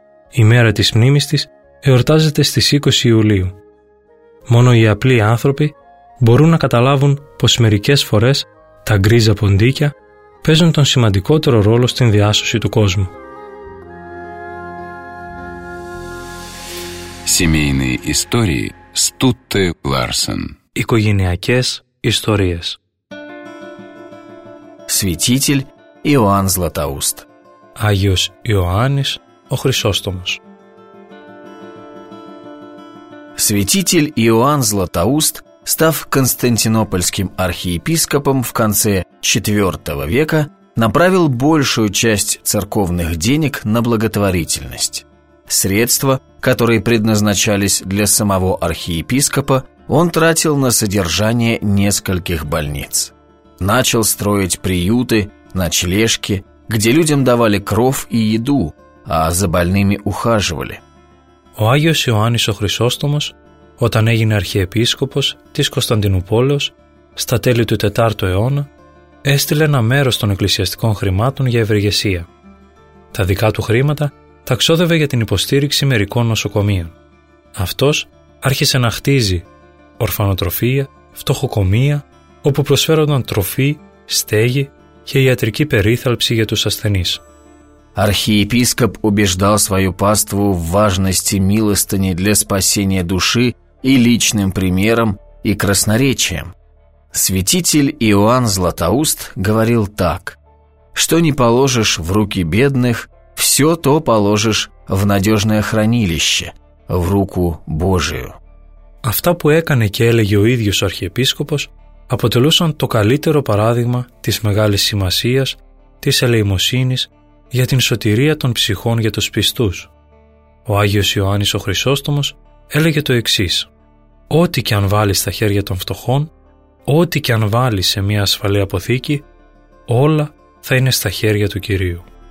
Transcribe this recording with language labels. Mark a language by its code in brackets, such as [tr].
[el] Η μέρα της μνήμης της εορτάζεται στις 20 Ιουλίου. Μόνο οι απλοί άνθρωποι μπορούν να καταλάβουν πως μερικές φορές τα γκρίζα ποντίκια παίζουν τον σημαντικότερο ρόλο στην διάσωση του κόσμου. [ru] Семейные истории Стутте Ларсен. [el] Οικογενειακές ιστορίες. [ru] Святитель Иоанн Златоуст. [el] Άγιος Ιωάννης ο Χρυσόστομος. [ru] Святитель Иоанн Златоуст, став константинопольским архиепископом в конце IV века, направил большую часть церковных денег на благотворительность. Средства, которые предназначались для самого архиепископа, он тратил на содержание нескольких больниц. Начал строить приюты, ночлежки, где людям давали кров и еду, а за больными ухаживали. [el] Ο Άγιος Ιωάννης ο Χρυσόστομος, όταν έγινε αρχιεπίσκοπος της Κωνσταντινούπολης στα τέλη του 4ου αιώνα, έστειλε ένα μέρος των εκκλησιαστικών χρημάτων για ευεργεσία. Τα δικά του χρήματα τα ξόδευε για την υποστήριξη μερικών νοσοκομείων. Αυτός άρχισε να χτίζει ορφανοτροφία, φτωχοκομεία, όπου προσφέρονταν τροφή, στέγη και ιατρική περίθαλψη για τους ασθενείς. [ru] Архиепископ убеждал свою паству в важности милостыни для спасения души и личным примером, и красноречием. Святитель Иоанн Златоуст говорил так: «Что не положишь в руки бедных, все то положишь в надежное хранилище, в руку Божию». [el] Αυτά που έκανε και έλεγε ο ίδιος ο αρχιεπίσκοπος αποτελούσαν το καλύτερο παράδειγμα της μεγάλης σημασίας της ελεημοσύνης για την σωτηρία των ψυχών για τους πιστούς. Ο Άγιος Ιωάννης ο Χρυσόστομος έλεγε το εξής: «Ό,τι και αν βάλεις στα χέρια των φτωχών, ό,τι και αν βάλεις σε μια ασφαλή αποθήκη, όλα θα είναι στα χέρια του Κυρίου».